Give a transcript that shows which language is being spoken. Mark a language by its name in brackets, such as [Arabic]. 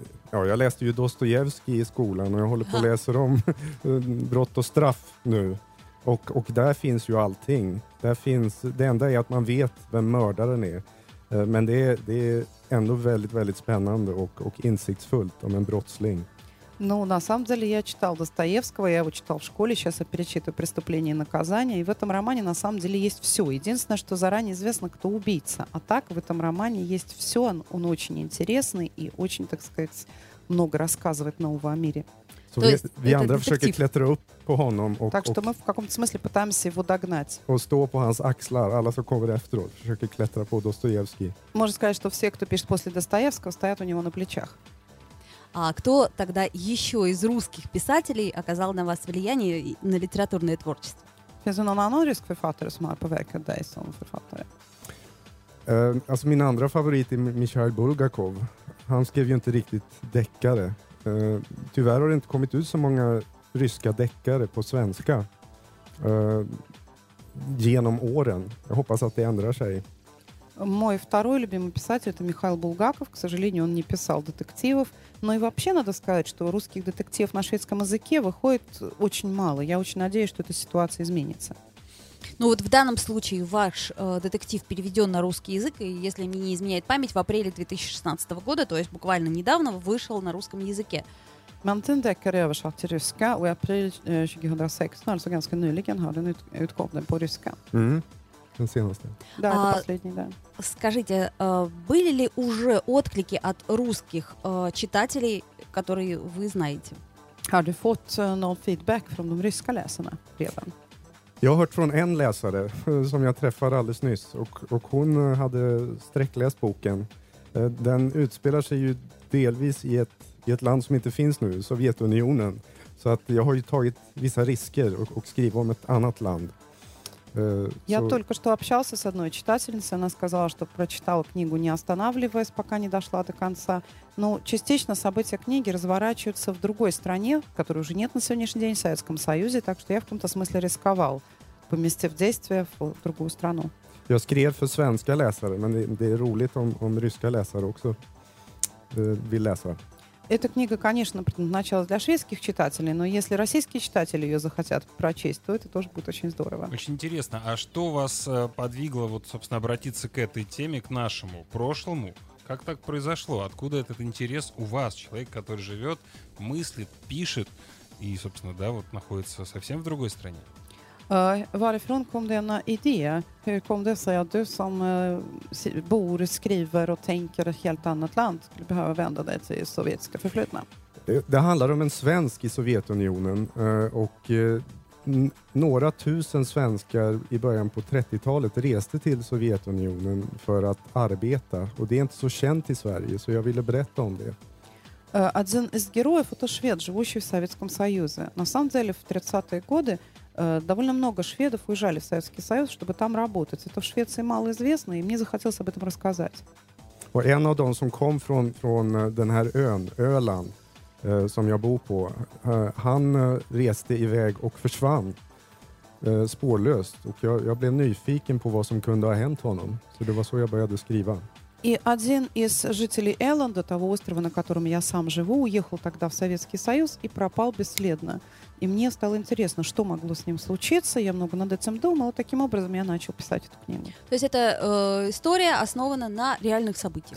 [Swedish] Jag läste ju Dostojevskij i skolan och jag håller på att läsa om brott och straff nu. Och där finns ju allting. Där finns, det enda är att man vet vem mördaren är. Men det är ändå väldigt, väldigt spännande och insiktsfullt om en brottsling. [Russian] Ну, на самом деле, я читал Достоевского, я его читал в школе, сейчас я перечитываю «Преступление и наказание», и в этом романе на самом деле есть все. Единственное, что заранее известно, кто убийца. А так, в этом романе есть все, он очень интересный и очень, так сказать, много рассказывает нового о мире. [Swedish] Så то есть, vi andra detektiv. Försöker klättra upp på honom [Russian] мы в каком-то смысле пытаемся его догнать. [Swedish] Och stå på hans axlar, alla som kommer efteråt försöker klättra på Dostojevskij. [Russian] Можно сказать, что все, кто пишет после Достоевского, стоят у него на плечах. А кто тогда еще из русских писателей оказал на вас влияние на литературное творчество? [Swedish] Finns det någon annan rysk författare som har påverkat dig som författare? Alltså min andra favorit är Michail Bulgakov. Han skrev ju inte riktigt deckare. Tyvärr har det inte kommit ut så många ryska deckare på svenska genom åren. Jag hoppas att det ändrar sig. [Russian] Мой второй любимый писатель — это Михаил Булгаков. К сожалению, он не писал детективов. Но и вообще надо сказать, что русских детективов на шведском языке выходит очень мало. Я очень надеюсь, что эта ситуация изменится. Ну вот в данном случае ваш детектив переведен на русский язык, и если мне не изменяет память, в апреле 2016 года, то есть буквально недавно, вышел на русском языке. [Swedish] Мантин декарев шел til ryska, и апрель 2016, alltså ganska nyligen, har den utkommit på ryska. Den senaste. [Russian] Да, это последний, да. Скажите, были ли уже отклики от русских читателей, которые вы знаете? [Swedish] Har du fått någon feedback från de ryska läsarna redan? Jag har hört från en läsare som jag träffade alldeles nyss, och hon hade sträckläst boken. Den utspelar sig ju delvis i ett land som inte finns nu, Sovjetunionen. Så att jag har ju tagit vissa risker och skrivit om ett annat land. [Russian] Jag только что общался с одной читательницей. Она сказала, что прочитала книгу, не останавливаясь, пока не дошла до конца. Но частично события книги разворачиваются в другой стране, которой уже нет на сегодняшний день, в Советском Союзе. Так что я в каком-то смысле рисковал, поместив действие в другую страну. [Swedish] Я скрев för svenska läsare, men det är roligt om ryska läsare också vill läsa. [Russian] Эта книга, конечно, предназначалась для шведских читателей, но если российские читатели ее захотят прочесть, то это тоже будет очень здорово. Очень интересно, а что вас подвигло, вот, собственно, обратиться к этой теме, к нашему прошлому? Как так произошло? Откуда этот интерес у вас, человек, который живет, мыслит, пишет и, собственно, да, вот находится совсем в другой стране? [Swedish] Varifrån kom denna idé? Hur kom det sig att du som bor, skriver och tänker ett helt annat land skulle behöva vända dig till sovjetiska förflutna? Det handlar om en svensk i Sovjetunionen och några tusen svenskar i början på 30-talet reste till Sovjetunionen för att arbeta, och det är inte så känt i Sverige, så jag ville berätta om det. [Russian] Один из героев – это швед, живущий в Советском Союзе. На самом деле, в 30-е годы довольно много шведов уезжали в Советский Союз, чтобы там работать. Это в Швеции мало известно, и мне захотелось об этом рассказать. [Swedish] Och en av dem som kom från den här ön, Öland, som jag bor på, han reste iväg och försvann spårlöst. Och jag blev nyfiken på vad som kunde ha hänt honom. Så det var så jag började skriva. [Russian] И один из жителей Эланда, того острова, на котором я сам живу, уехал тогда в Советский Союз и пропал бесследно. И мне стало интересно, что могло с ним случиться. Я много над этим думал, и таким образом я начал писать эту книгу. То есть это история основана на реальных событиях?